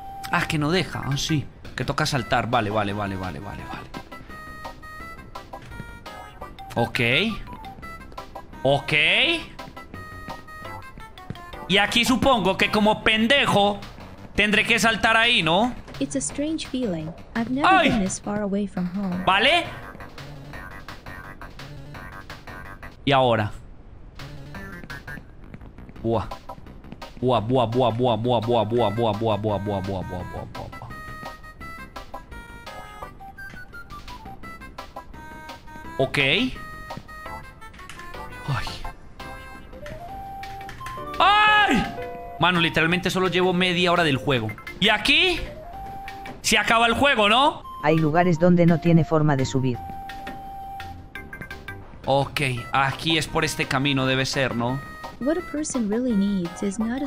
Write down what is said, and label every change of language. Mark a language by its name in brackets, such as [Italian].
[Spanish] Ah, que no deja, ah, sí. Que toca saltar, vale, vale, vale, vale, vale, vale. Ok. Ok. Y aquí supongo que como pendejo tendré que saltar ahí, ¿no? [English] It's a strange feeling. I've never been this far away from home. [Spanish] ¿Vale? Y ahora. Buah. Buah, buah, buah, buah, buah, buah, buah, buah, buah, buah, buah, buah, buah, buah, buah. Ok. Ay. ¡Ay! Mano, literalmente solo llevo media hora del juego. ¿Y aquí? Se acaba el juego, ¿no? Hay lugares donde no tiene forma de subir. Ok, aquí es por este camino, debe ser, ¿no? [English] What a person really needs is not a